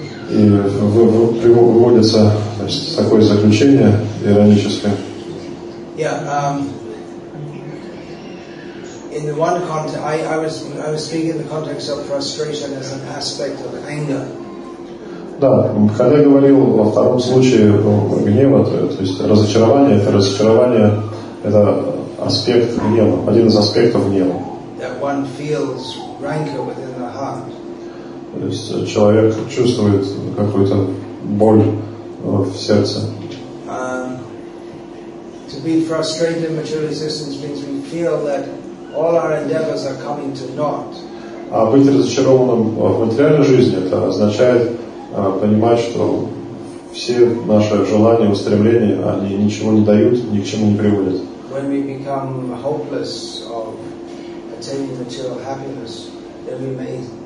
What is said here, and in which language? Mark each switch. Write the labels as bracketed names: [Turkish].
[Russian] И выводится такое заключение ироническое. [English] Yeah, in the one context, I was speaking in the context of frustration as an aspect of anger. [Russian] Да, когда я говорил во втором случае гнева, то есть разочарование, это аспект гнева, один из аспектов гнева. [English] That one feels rancor within the heart. [Russian] То есть человек чувствует какую-то боль в сердце. [English] To be frustrated in material existence means we feel that all our endeavors are coming to naught. [Russian] А быть разочарованным в материальной жизни это означает понимать, что все наши желания, устремления, они ничего не дают, ни к чему не приводят. [English] When we become hopeless of attaining material happiness, then we may